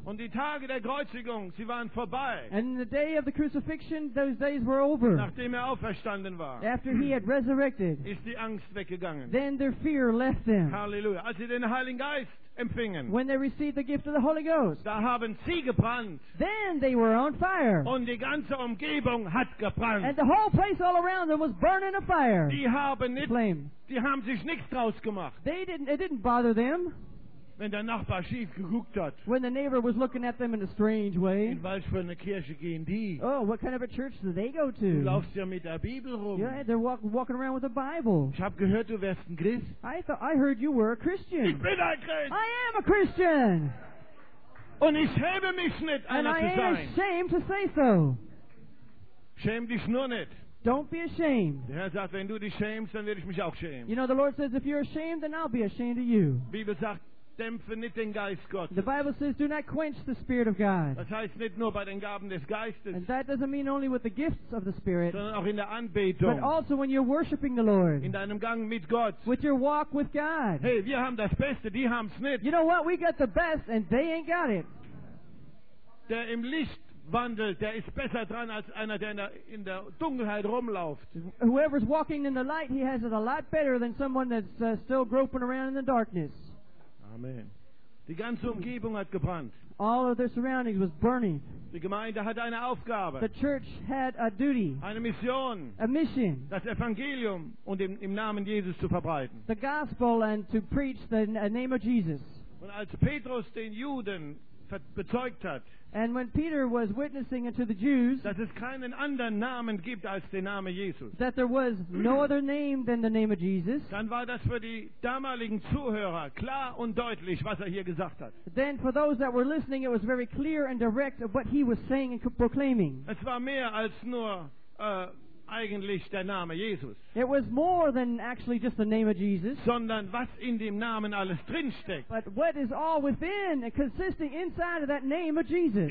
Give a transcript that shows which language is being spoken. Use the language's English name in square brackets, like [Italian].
[German] Und die Tage der Kreuzigung, sie waren vorbei. [English] And the day of the crucifixion, those days were over. [German] Nachdem er auferstanden war. [English] After he had resurrected. [German] Ist die Angst weggegangen. [English] Then their fear left them. [German] Halleluja. Als sie den Heiligen Geist empfingen. [English] When they received the gift of the Holy Ghost. [German] Da haben sie gebrannt. [English] Then they were on fire. [German] Und die ganze Umgebung hat gebrannt. [English] And the whole place all around them was burning a fire. [German] Die haben nicht, [English] flame. [German] Die haben sich nichts draus gemacht. [English] They didn't, it didn't bother them. [German] wenn der Nachbar schief geguckt hat. [English] When the neighbor was looking at them in a strange way. [German] In was für eine Kirche gehen die? [English] Oh, what kind of a church do they go to? [German] Du laufst ja mit der Bibel rum. [English] Yeah, they're walking around with a Bible. [German] Ich habe gehört, du wärst ein Christ. [English] I heard you were a Christian. [German] Ich bin ein Christ. [English] I am a Christian. [German] Und ich schäme mich nicht, einer zu sein. [English] And I ain't ashamed to say so. [German] Schäm dich nur nicht. [English] Don't be ashamed. [German] Der Herr sagt, wenn du dich schämst, dann werde ich mich auch schämen. [English] You know, the Lord says, if you're ashamed, then I'll be ashamed of you. [German] Die Bibel sagt, dämpfe nicht den Geist Gottes. [English] The Bible says, do not quench the Spirit of God. [German] Das heißt nicht nur bei den Gaben des Geistes. [English] And that doesn't mean only with the gifts of the Spirit. [German] Sondern auch in der Anbetung. [English] But also when you're worshiping the Lord. [German] In deinem Gang mit Gott. [English] With your walk with God. [German] Hey, wir haben das Beste, die haben's nicht. [English] You know what? We got the best and they ain't got it. [German] Der im Licht wandelt, der ist besser dran als einer, der in der Dunkelheit rumläuft. [English] Whoever's walking in the light, he has it a lot better than someone that's still groping around in the darkness. [German] Amen. Die ganze Umgebung hat gebrannt. [English] All of their surroundings was burning. [German] Die Gemeinde hat eine Aufgabe. [English] The church had a duty. [German] Eine Mission. [English] A mission. [German] Das Evangelium und im Namen Jesus zu verbreiten. [English] The gospel and to preach the name of Jesus. [German] Und als Petrus den Juden bezeugt hat, [English] and when Peter was witnessing unto the Jews, [German] dass es keinen anderen Namen gibt als den Namen Jesus, [English] that there was no other name than the name of Jesus, [German] dann war das für die damaligen Zuhörer klar und deutlich, was hier gesagt hat. [English] Then for those that were listening, it was very clear and direct of what he was saying and proclaiming. [German] Es war mehr als nur eigentlich der Name Jesus. [English] It was more than actually just the name of Jesus. [German] Sondern was in dem Namen alles drinsteckt. [English] But what is all within, consisting inside of that name of Jesus.